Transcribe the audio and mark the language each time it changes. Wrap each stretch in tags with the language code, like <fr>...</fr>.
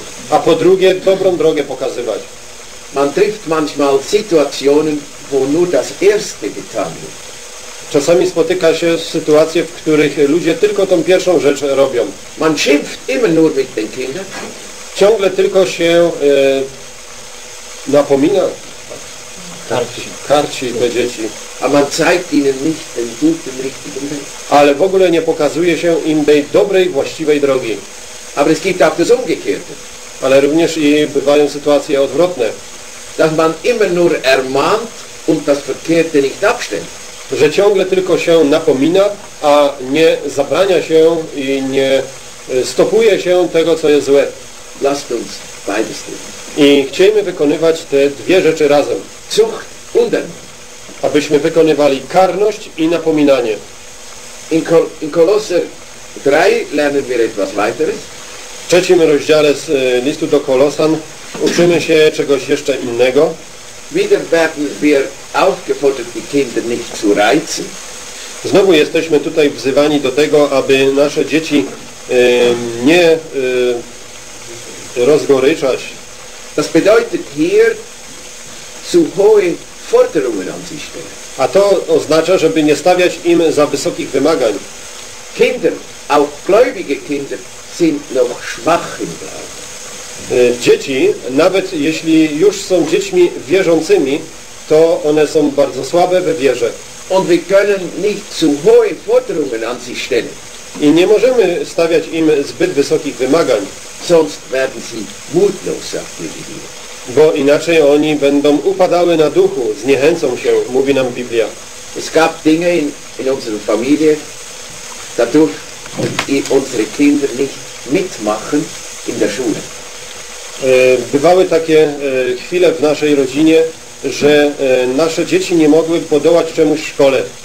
<pl>A po drugie, dobrą drogę pokazywać.</pl> <de>Man trifft manchmal Situationen, wo nur das erste getan wird.</de> <pl>Czasami spotyka się sytuacje, w których ludzie tylko tą pierwszą rzecz robią.</pl> <de>Man schimpft immer nur mit den Kindern.</de> <pl>Ciągle tylko się napomina, karci te dzieci.</pl> <de>A man zeigt ihnen nicht den guten, richtigen Weg.</de> <pl>Ale w ogóle nie pokazuje się im tej dobrej, właściwej drogi.</pl> <de>Aber es gibt auch das umgekehrte.</de> <pl>Ale również i bywają sytuacje odwrotne.</pl> <de>Dass man immer nur ermahnt und das verkehrte nicht abstellt.</de> <pl>Że ciągle tylko się napomina, a nie zabrania się i nie stopuje się tego, co jest złe.</pl> <de>Lasst uns beides tun.</de> <pl>I chcielibyśmy wykonywać te dwie rzeczy razem.</pl> <de>Zucht und Ermahnung.</de> <pl>Abyśmy wykonywali karność i napominanie.</pl> <de>In Kolosser 3 lernen wir etwas weiteres.</de> <pl>W trzecim rozdziale z listu do Kolosan uczymy się czegoś jeszcze innego.</pl> <de>Wieder werden wir aufgefordert, die Kinder nicht zu reizen.</de> <pl>Znowu jesteśmy tutaj wzywani do tego, aby nasze dzieci nie rozgoryczać.</pl> <de>Das bedeutet hier zu hohe Forderungen an sich stellen.</de> <pl>A to oznacza, żeby nie stawiać im za wysokich wymagań.</pl> <de>Kinder, auch gläubige Kinder, sind noch schwach im Glauben.</de> <pl>Dzieci, nawet jeśli już są dziećmi wierzącymi, to one są bardzo słabe we wierze.</pl> <de>Und wir können nicht zu hohe Forderungen an sie stellen.</de> <pl>I nie możemy stawiać im zbyt wysokich wymagań.</pl> <de>Sonst werden sie mutlos, sagt die Bibel.</de> <pl>Bo inaczej oni będą upadały na duchu, zniechęcą się, mówi nam Biblia.</pl> <de>Es gab Dinge in unserer Familie, da durften unsere Kinder nicht mitmachen in der Schule.</de> <pl>Bywały takie chwile w naszej rodzinie, że nasze dzieci nie mogły podołać czemuś w szkole.</pl>